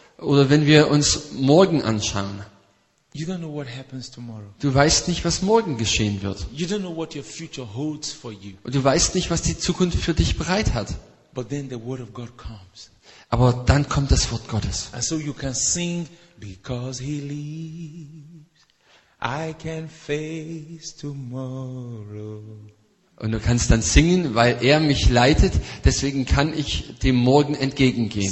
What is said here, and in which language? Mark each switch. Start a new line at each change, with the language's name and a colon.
German: Oder wenn wir uns morgen anschauen.
English: You don't know what happens tomorrow.
German: Du weißt nicht, was morgen geschehen wird.
English: You don't know what your future holds for you.
German: Und du weißt nicht, was die Zukunft für dich bereit hat.
English: But then the word of God comes.
German: Aber dann kommt das Wort Gottes.
English: And so you can sing, because he lives, I can face tomorrow.
German: Und du kannst dann singen, weil er mich leitet, deswegen kann ich dem Morgen entgegengehen.